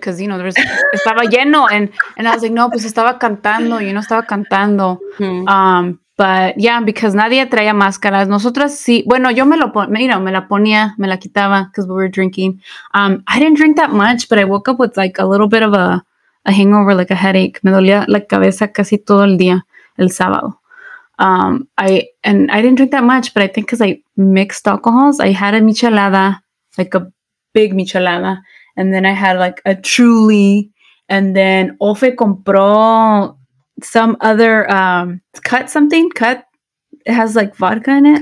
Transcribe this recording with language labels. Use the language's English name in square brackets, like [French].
[English] Cause you know, there was, [Spanish] estaba lleno. [English] And I was like, [Spanish] no, pues estaba cantando, [English] you know, [Spanish] estaba cantando. [English] Mm-hmm. But yeah, because [Spanish] nadie traía máscaras. Nosotras sí. Bueno, yo me la ponía, me la quitaba [English] because we were drinking. I didn't drink that much, but I woke up with like a little bit of a hangover, like a headache. [Spanish] Me dolía la cabeza casi todo el día, el sábado. [English] I didn't drink that much, but I think because I mixed alcohols, I had a michelada, like a big michelada, and then I had like a Truly, and then Ofe [Spanish] compró [English] some other, cut, it has like vodka in it.